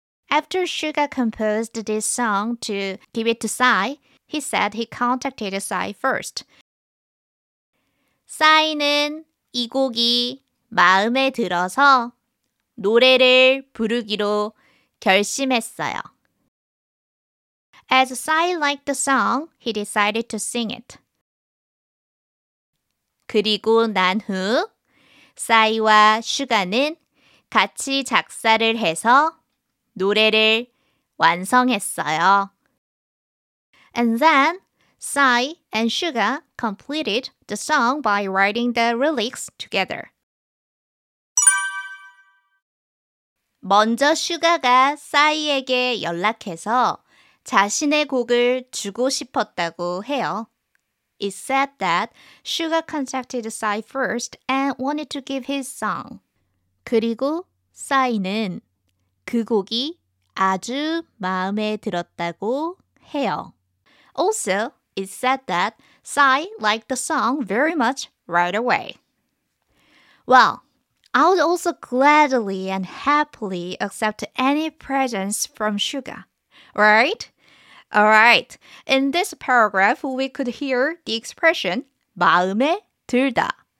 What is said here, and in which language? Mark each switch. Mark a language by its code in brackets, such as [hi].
[en] After Suga composed this song to give it to Sai, he said he contacted Sai first. [ko] Sai는 이 곡이 마음에 들어서 노래를 부르기로 결심했어요. [en] As Sai liked the song, he decided to sing it. [ko] 그리고 난 후, Sai와 Suga는 같이 작사를 해서 노래를 완성했어요. [en] And then, Sai and Suga completed the song by writing the lyrics together. [ko] 먼저 슈가가 싸이에게 연락해서 자신의 곡을 주고 싶었다고 해요. [en] It said that Suga contacted Sai first and wanted to give his song. [ko] 그리고 싸이는 그 곡이 아주 마음에 들었다고 해요. [en] Also, it said that Sai liked the song very much right away. Well, I would also gladly and happily accept any presents from Suga. Right? Alright, in this paragraph, we could hear the expression 마음에 들다.